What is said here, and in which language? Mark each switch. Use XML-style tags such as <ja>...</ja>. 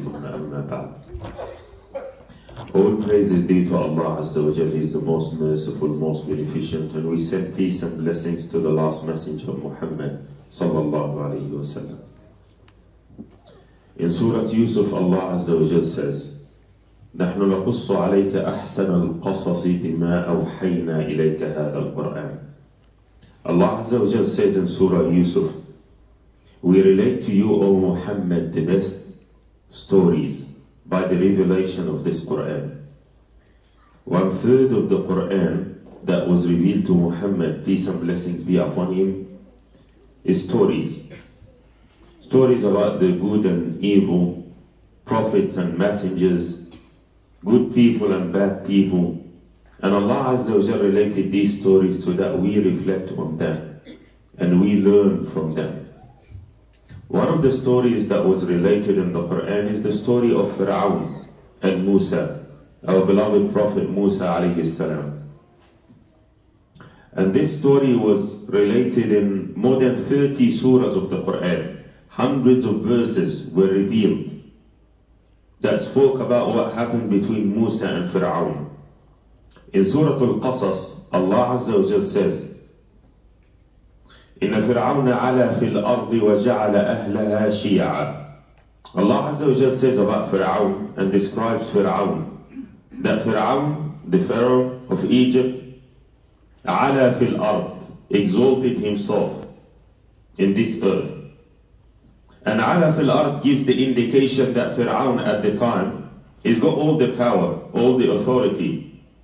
<ar>ثم أما بعد،</ar> <en>all praises due to Allah Azza wa Jal, He's the most merciful, most beneficent, and we send peace and blessings to the last messenger of Muhammad sallallahu alayhi wa sallam. In Surah Yusuf, Allah Azza wa Jal says:</en> <ar>نحن نقص عليك أحسن القصص بما أوحينا إليك هذا القرآن.</ar> <en>Allah Azza wa Jal says in Surah Yusuf: we relate to you, O Muhammad, the best stories by the revelation of this Quran. One third of the Quran that was revealed to Muhammad, peace and blessings be upon him, is stories. Stories about the good and evil, prophets and messengers, good people and bad people. And Allah Azza wa Jalla related these stories so that we reflect on them and we learn from them. One of the stories that was related in the Quran is the story of Fir'aun and Musa, our beloved Prophet Musa alayhi salam. And this story was related in more than 30 surahs of the Quran. Hundreds of verses were revealed that spoke about what happened between Musa and Fir'aun. In Surah Al-Qasas, Allah Azza wa Jalla says:</en> <ar>إن فرعون علا في الأرض وجعل أهلها شيعا.</ar> <en>Allah Azza wa Jal says about Fir'aun and describes Fir'aun that Fir'aun, the Pharaoh of Egypt,</en> <ar>علا في الأرض,</ar> <en>exalted himself in this earth. And</en> <ar>علا في الأرض</ar> <en>gives the indication that Fir'aun at the time, he's got all the power, all the authority.</en>